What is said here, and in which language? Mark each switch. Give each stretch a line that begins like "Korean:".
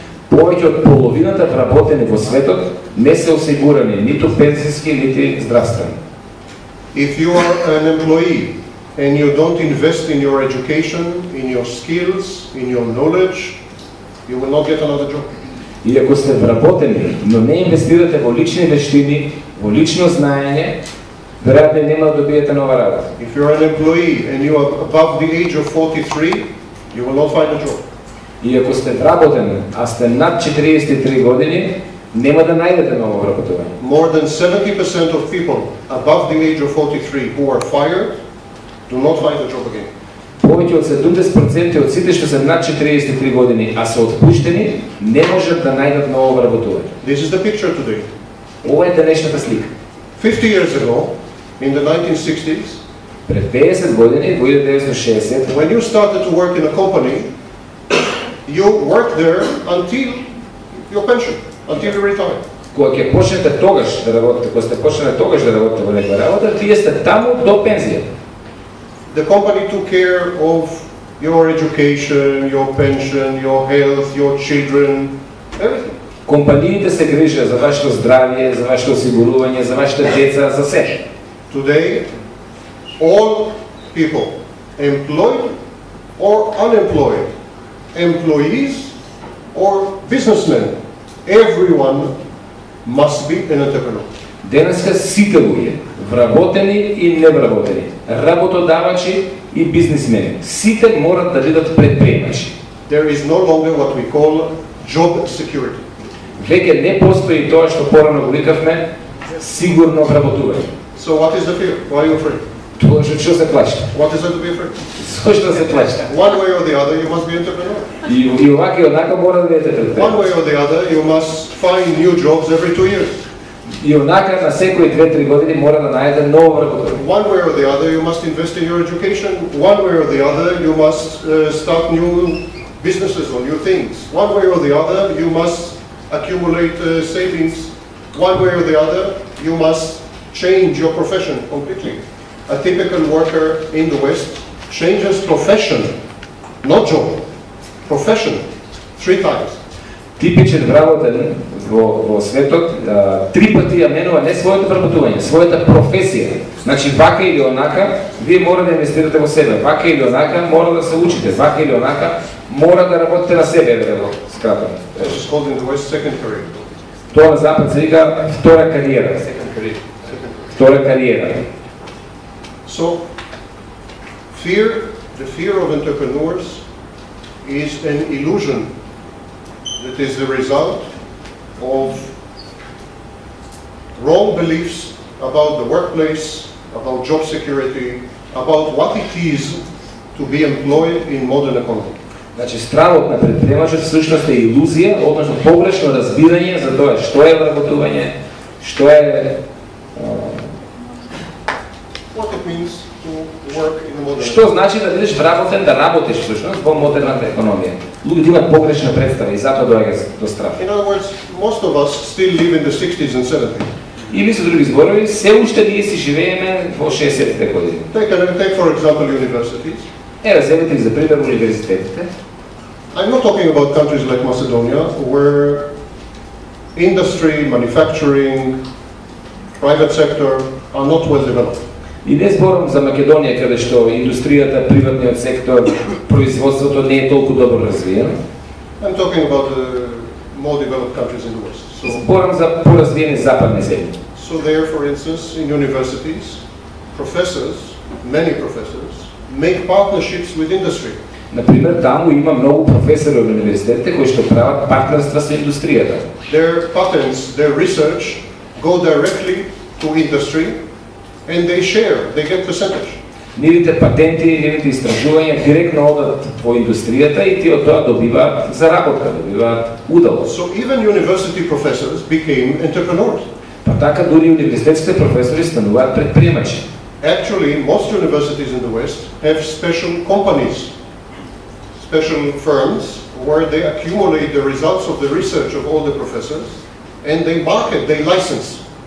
Macedonian: Повеќе од половината вработени во светот не се осигурани ниту пензиски нити здравствени.
English: If you are an employee and you don't invest in your education, in your skills, in your knowledge, you will not get another job.
Macedonian: И ако сте вработени, но не инвестирате во лични вештини, во лично знаење, веројатно нема да добиете нова работа.
English: If you are an employee and you are above the age of 43, you will not find a job.
Macedonian: И ако сте вработен, а сте над 43 години, нема да најдете ново вработување.
English: More than 70% of people above the age of 43 who are fired do not find a job again.
Macedonian: Повеќе од 70% од сите што се над 43 години, а се отпуштени, не можат да најдат ново вработување.
English: This is the picture today.
Macedonian: Ова е денешната слика.
English: 50 years ago, in the 1960s,
Macedonian: пред 50 години, во 1960,
English: when you started to work in a company, you worked there until your pension, until you retired.
Macedonian: Кога ќе почнете тогаш да работите, кога сте почнете тогаш да работите во некоја работа, вие сте таму до пензија.
English: The company took care of your education, your pension, your health, your children, everything.
Macedonian: Компаниите се грижат за вашето здравје, за вашето осигурување, за вашите деца, за се.
English: Today, all people, employed or unemployed, employees or businessmen, everyone must be an entrepreneur.
Macedonian: Денеска сите луѓе, вработени и невработени, работодавачи и бизнисмени, сите морат да бидат предприемачи.
English: There is no longer what we call job security.
Macedonian: Веќе не постои тоа што порано го рековме, сигурно вработување.
English: So what is the fear? Why are you afraid?
Macedonian: Тоа што се плаши.
English: What is it to be afraid?
Macedonian: Зошто се плаши?
English: One way or the other, you must be entrepreneur.
Macedonian: И овака и онака мора да бидете предприемач.
English: One way or the other, you must find new jobs every 2 years.
Macedonian: И онака на секои 2-3 години мора да најде ново работа.
English: One way or the other you must invest in your education. One way or the other you must start new businesses or new things. One way or the other you must accumulate savings. One way or the other you must change your profession completely. A typical worker in the West changes profession, not job, profession, 3 times.
Macedonian: Типичен вработен во светот, три пати ја менува не своето вработување, својата професија. Значи, вака или онака, вие мора да инвестирате во себе. Вака или онака, мора да се учите. Вака или онака, мора да работите на себе, едно, скратам. Тоа на запад се вика втора кариера. Втора кариера.
English: So, fear, the fear of entrepreneurs is an illusion. It is the result of wrong beliefs about the workplace, about job security, about what it is to be employed in modern economy.
Macedonian: Значи, стравот на предприемачот всушност е илузија, односно погрешно разбирање за тоа што е вработување, што е
English: what it means to work in modern.
Macedonian: Што значи да бидеш вработен, да работиш всушност во модерната економија? Луѓето имаат погрешна представа и затоа доаѓа до страф.
English: In other words, most of us still live in the 60s and 70s.
Macedonian: Или со други зборови, се уште ние си живееме во 60-те години.
English: Take for example universities.
Macedonian: Еве, земете за пример универзитетите.
English: I'm not talking about countries like Macedonia where industry, manufacturing, private sector are not well developed.
Macedonian: И не зборам за Македонија каде што индустријата, приватниот сектор, производството не е толку добро развиено.
English: I'm talking about the more developed countries in the West.
Macedonian: So, зборам за поразвиени западни земји.
English: So there, for instance, in universities, professors, many professors, make partnerships with industry.
Macedonian: Например, таму има многу професори во университетите кои што прават партнерства со индустријата.
English: Their patents, their research go directly to industry. And they share, they get percentage.
Macedonian: Нивните патенти, нивните истражувања директно одат во индустријата и тие од тоа добиваат заработка, добиваат удел.
English: So even university professors became entrepreneurs.
Macedonian: Па така дури универзитетските професори стануваат предприемачи.
English: Actually, most universities in the West have special companies, special firms where they accumulate the results of the research of all the professors and they market, they license.